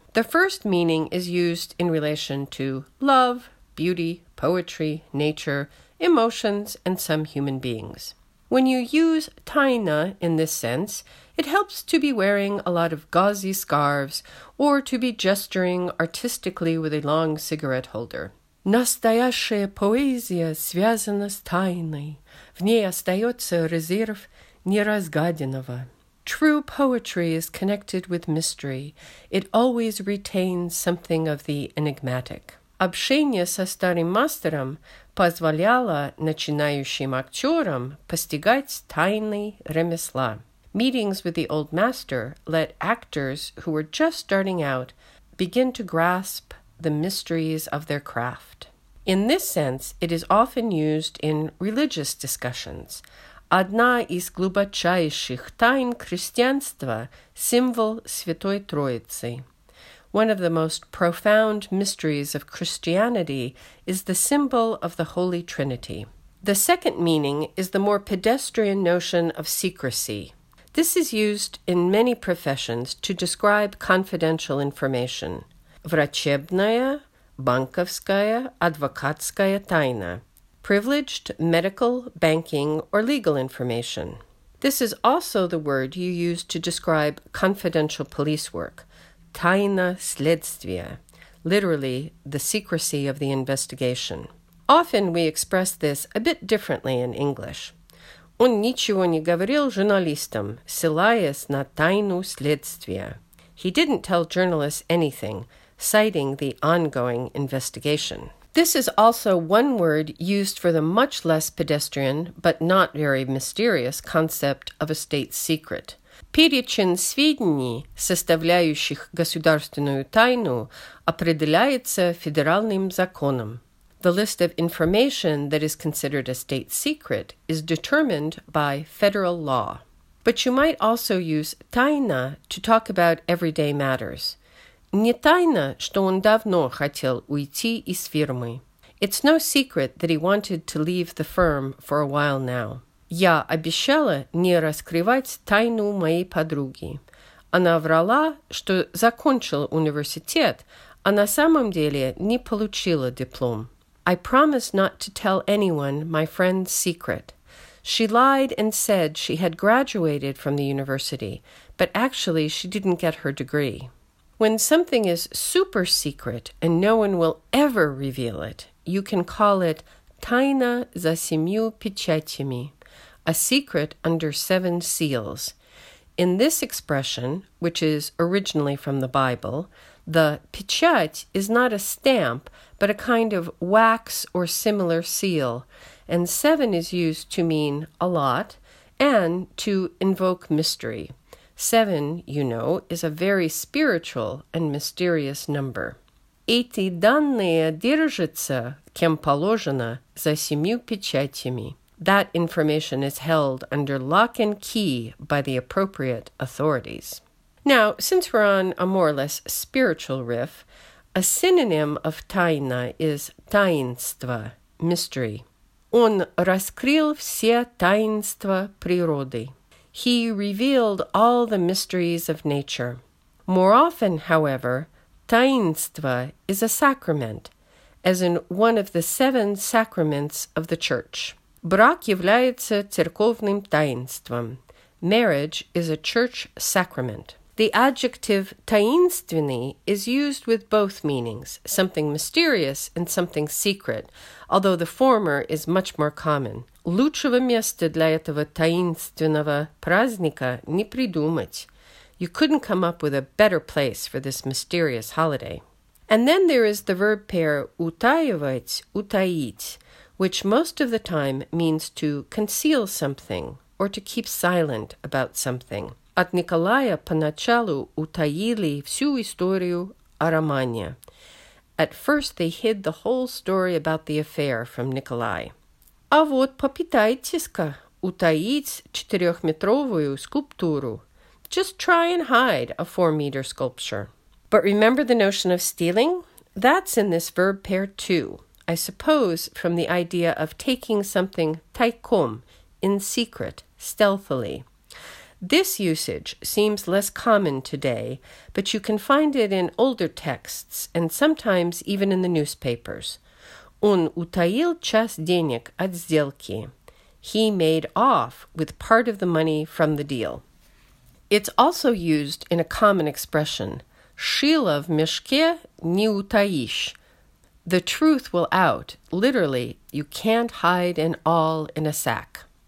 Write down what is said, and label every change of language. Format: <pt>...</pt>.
<en>The first meaning is used in relation to love, beauty, poetry, nature, emotions, and some human beings. When you use tajna in this sense, it helps to be wearing a lot of gauzy scarves or to be gesturing artistically with a long cigarette holder.</en> <ru>Настоящая поэзия связана с тайной. В ней остается резерв неразгаденного.</ru> <en>True poetry is connected with mystery. It always retains something of the enigmatic.</en> <ru>Общение со старым мастером позволяло начинающим актерам постигать тайны ремесла.</ru> <en>Meetings with the old master let actors who were just starting out begin to grasp the mysteries of their craft. In this sense, it is often used in religious discussions.</en> <ru>Одна из глубочайших тайн христианства – символ Святой Троицы.</ru> <en>One of the most profound mysteries of Christianity is the symbol of the Holy Trinity. The second meaning is the more pedestrian notion of secrecy. This is used in many professions to describe confidential information.</en> <ru>Врачебная, банковская, адвокатская тайна.</ru> <en>Privileged medical, banking, or legal information. This is also the word you use to describe confidential police work.</en> <ru>Тайна следствия,</ru> <en>literally, the secrecy of the investigation. Often we express this a bit differently in English.</en> <ru>Он ничего не говорил журналистам, ссылаясь на тайну следствия.</ru> <en>He didn't tell journalists anything, citing the ongoing investigation. This is also one word used for the much less pedestrian, but not very mysterious, concept of a state secret.</en> <ru>Перечень сведений, составляющих государственную тайну, определяется федеральным законом.</ru> <en>The list of information that is considered a state secret is determined by federal law. But you might also use тайна to talk about everyday matters.</en> <ru>Не тайна, что он давно хотел уйти из фирмы.</ru> <en>It's no secret that he wanted to leave the firm for a while now.</en> <ru>Я обещала не раскрывать тайну моей подруги. Она врала, что закончила университет, а на самом деле не получила диплом.</ru> <en>I promised not to tell anyone my friend's secret. She lied and said she had graduated from the university, but actually she didn't get her degree. When something is super secret and no one will ever reveal it, you can call it</en> <ru>тайна за семью печатями.</ru> <en>A secret under seven seals. In this expression, which is originally from the Bible, the печать is not a stamp, but a kind of wax or similar seal, and seven is used to mean a lot and to invoke mystery. Seven, you know, is a very spiritual and mysterious number.</en> <ru>Эти данные держатся, кем положено, за семью печатями.</ru> <en>That information is held under lock and key by the appropriate authorities. Now, since we're on a more or less spiritual riff, a synonym of тайна is таинство, mystery.</en> <ru>Он раскрыл все таинства природы.</ru> <en>He revealed all the mysteries of nature. More often, however, таинство is a sacrament, as in one of the seven sacraments of the church.</en> <ru>Брак является церковным таинством.</ru> <en>Marriage is a church sacrament. The adjective таинственный is used with both meanings, something mysterious and something secret, although the former is much more common.</en> <ru>Лучшего места для этого таинственного праздника не придумать.</ru> <en>You couldn't come up with a better place for this mysterious holiday. And then there is the verb pair утаивать, утаить, which most of the time means to conceal something or to keep silent about something.</en> <ru>От Николая поначалу утаили всю историю о романе.</ru> <en>At first they hid the whole story about the affair from Николай.</en> <ru>А вот попытайтесь-ка утаить четырехметровую скульптуру.</ru> <en>Just try and hide a 4-meter sculpture. But remember the notion of stealing? That's in this verb pair too. I suppose from the idea of taking something тайком, in secret, stealthily. This usage seems less common today, but you can find it in older texts and sometimes even in the newspapers.</en> <ru>Он утаил часть денег от сделки.</ru> <en>He made off with part of the money from the deal. It's also used in a common expression.</en> <ru>Шило в мешке не утаишь.</ru> <en>The truth will out. Literally, you can't hide an awl in a sack.</en>